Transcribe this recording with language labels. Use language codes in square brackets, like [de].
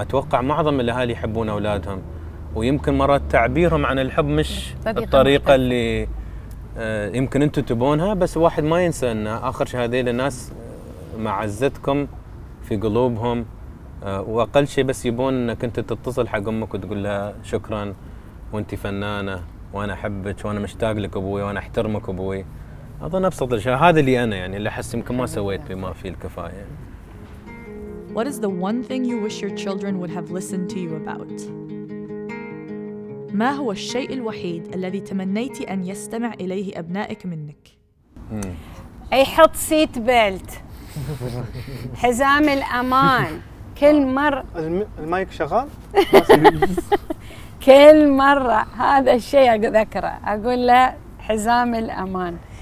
[ar] أتوقع معظم الأهالي يحبون أولادهم، ويمكن مرات تعبيرهم عن الحب مش الطريقة اللي يمكن أنتوا تبونها، بس واحد ما ينسى أن آخر شيء هذه الناس معزتكم في قلوبهم، وأقل شيء بس يبون أنك أنت تتصل حق أمك وتقول لها شكرا وأنت فنانة وأنا أحبك وأنا مشتاق لك أبوي وأنا أحترمك أبوي. أظن أبسط الشيء هذا اللي أنا يعني اللي أحس يمكن ما سويت بما فيه الكفاية. [en] What is the one thing you wish your children would have listened to you about? [ar] ما هو الشيء الوحيد الذي تمنيت أن يستمع إليه أبنائك منك؟ أي حط سيت بيلت، حزام الأمان. كل مرة المايك شغال؟ كل مرة هذا الشيء أذكره أقول له حزام الأمان.